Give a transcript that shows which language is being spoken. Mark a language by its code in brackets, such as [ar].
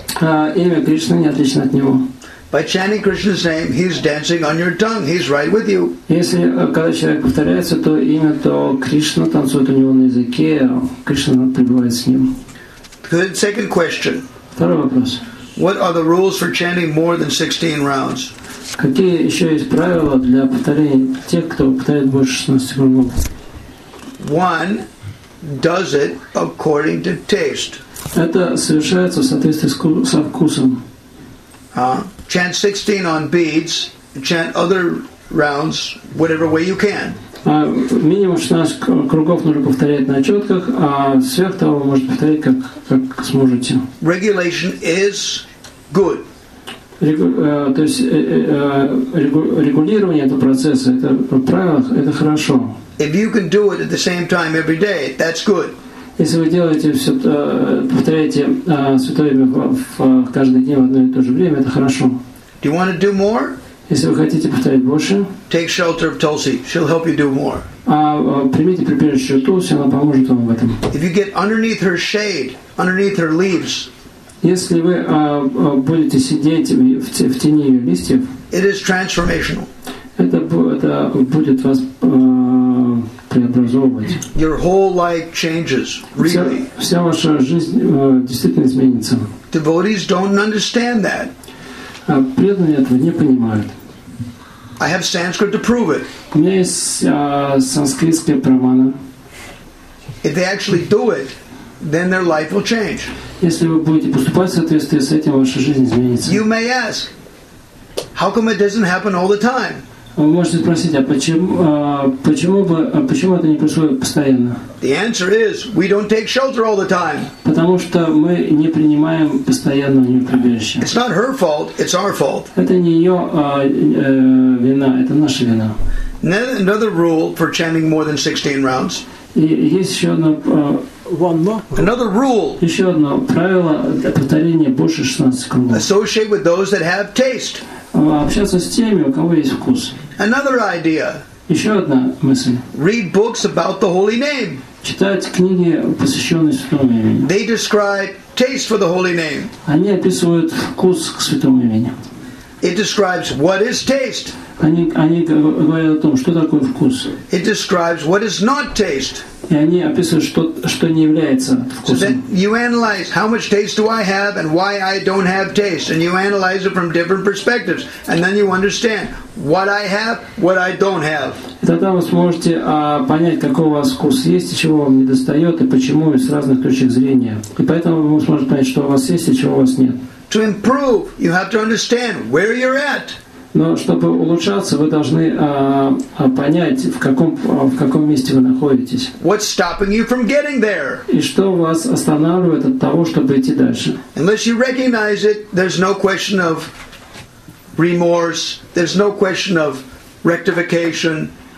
[ru] Имя Кришны не отлично от него. [en] By chanting Krishna's name, he's dancing on your tongue. He's right with you. [ru] Если когда человек повторяется то имя, то Кришна танцует у него на языке, Кришна пребывает с ним. [en] Good second question. [ru] Второй вопрос. [en] What are the rules for chanting more than 16 rounds? [ru] Какие еще есть правила для повторения тех, кто повторяет больше 16 кругов? [en] One does it according to taste. [ru] Это совершается в соответствии со вкусом. [en] Chant 16 on beads, chant other rounds, whatever way you can. [ru] Минимум 16 кругов нужно повторять на четках, а сверх того можно повторять как сможете. [en] Regulation is good. [ru] То есть регулирование этого процесса, это правило, это хорошо. [en] If you can do it at the same time every day, that's good. [ru] Если вы делаете все, повторяете святое имя каждый день в одно и то же время, это хорошо. [en] Do you want to do more? [ru] Если вы хотите повторять больше, [en] take shelter of Tulsi. She'll help you do more. [ru] Примите прибежище Тулси, она поможет вам в этом. [en] If you get underneath her shade, underneath her leaves. [ru] Если вы будете сидеть в тени ее листьев, [en] it is transformational. [ru] Это будет вас преобразовывать. [en] Your whole life changes, really. [ru] Вся ваша жизнь действительно изменится. [en] Devotees don't understand that. [ru] Преданные этого не понимают. [en] I have Sanskrit to prove it. [ru] У меня есть санскритские праманы. [en] If they actually do it, then their life will change. [ru] Если вы будете поступать в соответствии с этим, ваша жизнь изменится. [en] You may ask, how come it doesn't happen all the time? [ru] Вы можете спросить, а почему это не происходит постоянно? [en] The answer is, we don't take shelter all the time. [ru] Потому что мы не принимаем постоянно прибежище. [en] It's not her fault, it's our fault. [ru] Это не ее вина, это наша вина. [en] Another rule for chanting more than 16 rounds. [ru] И есть еще одно. [en] One more. Another rule. [ru] Еще одно правило для повторения больше 16 кругов. [en] Associate with those that have taste. [ru] Общаться с теми, у кого есть вкус. [en] Another idea. [ru] Еще одна мысль. [en] Read books about the holy name. [ru] Читать книги, посвященные святому имени. [en] They describe taste for the holy name. [ru] Они описывают вкус к святому имени. [en] It describes what is taste. [ru] Они говорят о том, что такое вкус. [en] It describes what is not taste. [ru] И они описывают, что не является вкусом. [en] So then you analyze how much taste do I have and why I don't have taste, and you analyze it from different perspectives, and then you understand what I have, what I don't have. [ru] И тогда вы сможете понять, какого у вас вкус есть и чего вам недостает, и почему, и с разных точек зрения. И поэтому вы сможете понять, что у вас есть и чего у вас нет. [en] To improve, you have to understand where you're at. [ru] Но чтобы улучшаться, вы должны понять, в каком месте вы находитесь. [en] What's stopping you from getting there? [ru] И что вас останавливает от того, чтобы идти дальше? [en] Unless you recognize it, there's no question of remorse, there's no question of rectification.